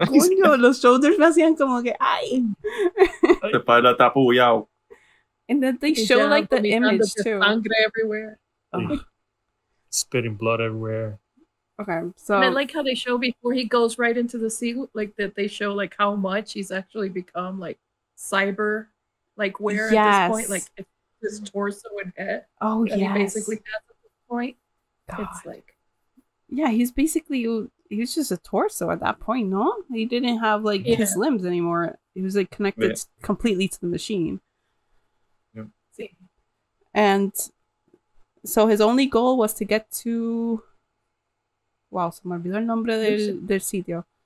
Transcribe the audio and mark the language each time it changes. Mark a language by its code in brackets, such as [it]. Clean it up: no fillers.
[es] Coño, los [en] shoulders [es] me hacían como que ay. [en] The pilot [es] está apoyado. [en] And then they show like the image too. [es] Sangre [en] everywhere. Oh. Spitting blood everywhere. Okay, so and I like how they show before he goes right into the sea, like that they show like how much he's actually become like cyber, like wear at this point, like his torso and head. Oh and yes. He basically has at this point. God. It's like. Yeah, he's basically, he was just a torso at that point, no? He didn't have, like, his limbs anymore. He was, like, connected completely to the machine. Yep. And so his only goal was to get to... [es] Wow, se me olvidó el nombre del sitio.